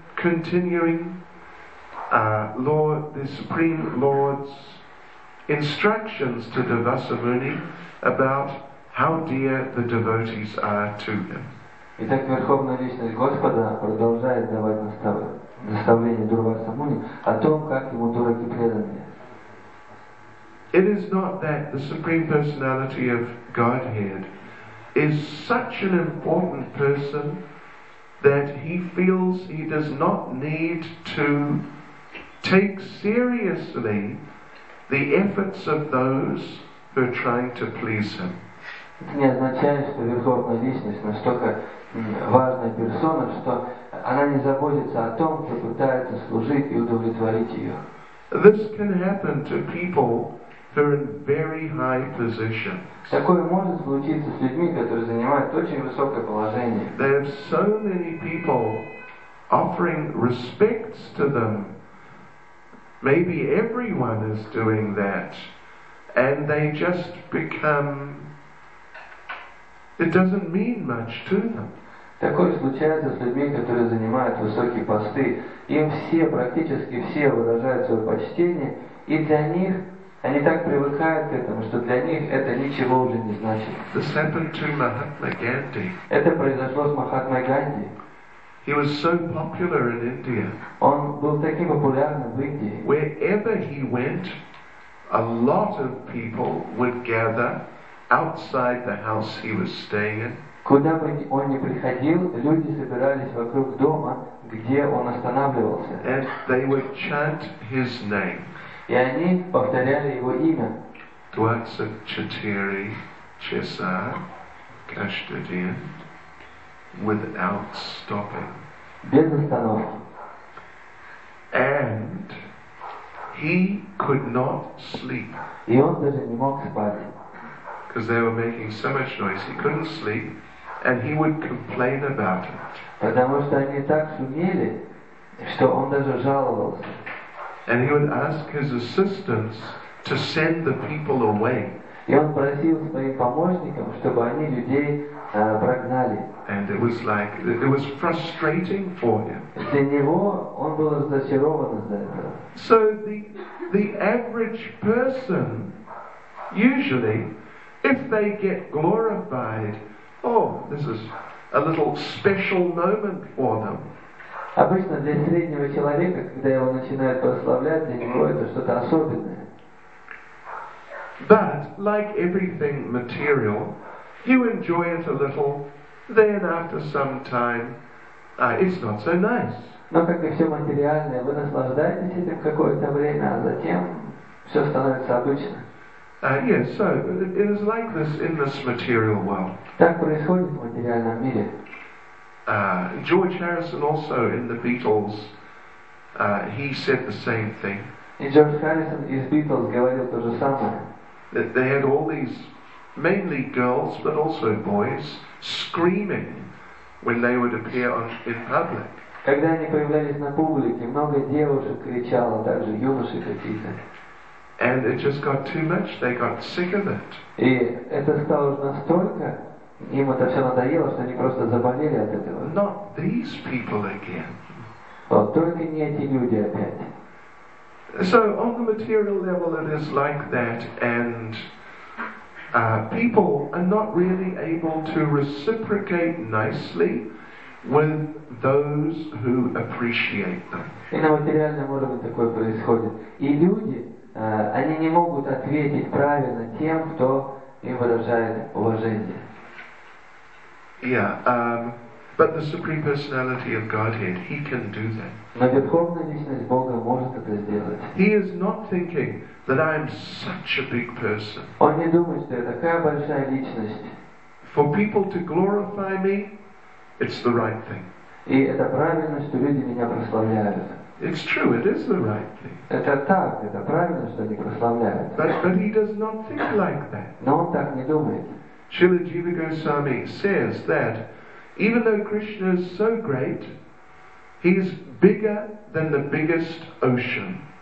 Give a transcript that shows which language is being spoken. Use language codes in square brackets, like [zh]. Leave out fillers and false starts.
[en] Continuing, the Supreme Lord's instructions to Dvasa Muni about how dear the devotees are to him. [ru] Итак, Верховная Личность Господа продолжает давать наставление Дурваса Муни о том, как ему дороги преданные. [en] It is not that the Supreme Personality of Godhead is such an important person that he feels he does not need to take seriously the efforts of those who are trying to please him. [ru] Это не означает, что верховная личность настолько важная персона, что она не заботится о том, кто пытается служить и удовлетворить ее. [en] This can happen to people who are in very high positions. [ru] Такое может случиться с людьми, которые занимают очень высокое положение. [en] They have so many people offering respects to them. Maybe everyone is doing that, and they just become. It doesn't mean much to them. [ru] Такое случается с людьми, которые занимают высокие посты. Им все, практически все, выражают свое почтение, и для них они так привыкают к этому, что для них это ничего уже не значит. [en] This happened to Mahatma Gandhi. [ru] Это произошло с Махатмой Ганди. [en] He was so popular in India. [ru] Он был таким популярным в Индии. [en] Wherever he went, a lot of people would gather outside the house he was staying in. [ru] Куда бы он ни приходил, люди собирались вокруг дома, где он останавливался. [en] And they would chant his name. [ru] И они повторяли его имя. Dwatsa Chatiri Chesar Kashtadian [en] without stopping. [ru] Без остановки. [en] And he could not sleep. [ru] И он даже не мог спать. [en] Because they were making so much noise, he couldn't sleep. And he would complain about it. [ru] Потому что они так шумели, что он даже жаловался. [en] And he would ask his assistants to send the people away. [ru] И он просил своих помощников, чтобы они людей прогнали. [en] And it was like it was frustrating for him. [ru] Для него он был разочарован из-за этого. [en] So the average person, usually, if they get glorified. Oh, this is a little special moment for them. [ru] Обычно для среднего человека, когда его начинают прославлять, для него это что-то особенное. [en] But like everything material, you enjoy it a little, then after some time, it's not so nice. [ru] Но как и все материальное, вы наслаждаетесь этим какое-то время, а затем все становится обычным. [en] So it is like this in this material world. [ru] Так происходит в материальном мире. [en] George Harrison also in the Beatles, he said the same thing. [ru] И George Harrison из Beatles говорил то же самое. [en] That they had all these, mainly girls, but also boys, screaming when they would appear in public. [ru] Когда они появлялись на публике, много девушек кричало, также юноши какие-то. [en] And it just got too much. They got sick of it. [ru] И это стало настолько им это все надоело, что они просто заболели от этого. [en] Not these people again. [ru] Вот только не эти люди опять. [en] So on the material level, it is like that, and people are not really able to reciprocate nicely with those who appreciate them. [ru] И на материальном уровне такое происходит, и люди. Они не могут ответить правильно тем, кто им выражает уважение. [en] Yeah, but the Supreme Personality of Godhead, he can do that. [ru] Но Верховная Личность Бога может это сделать. [en] He is not thinking that I am such a big person. [ru] Он не думает, что я такая большая личность. [en] For people to glorify me, it's the right thing. [ru] И это правильно, что люди меня прославляют. [en] It's true, it is the right thing. [ru] Это так, это правильно, что они прославляют. [en] But he does not think like that. [ru] Но он так не думает. [en] Srila Jiva Goswami says that even though Krishna is so great, he is bigger than the biggest ocean.